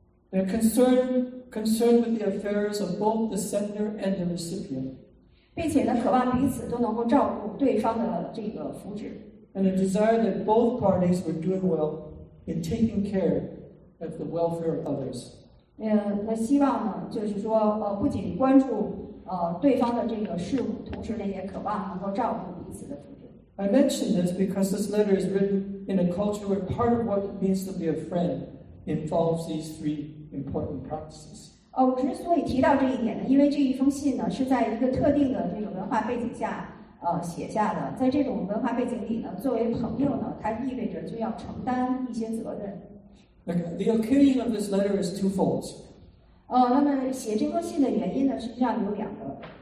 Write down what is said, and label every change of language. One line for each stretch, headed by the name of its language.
English: They're concerned with the affairs of both the sender and the recipient.
Chinese: 并且呢，渴望彼此都能够照顾对方的这个福祉。
English: And a desire that both parties were doing well in taking care of the welfare of others.
Chinese: 那希望呢，就是说，不仅关注对方的这个事物，同时呢，也渴望能够照顾彼此的福祉。
English: I mention this because this letter is written in a culture where part of what it means to be a friend involves these three important practices.
Chinese: 之所以提到这一点呢，因为这一封信呢是在一个特定的这个文化背景下写下的。在这种文化背景里呢，作为朋友呢，它意味着就要承担一些责任。
English: The occasion of this letter is twofold.
Chinese: 那么写这封信的原因呢，实际上有两个。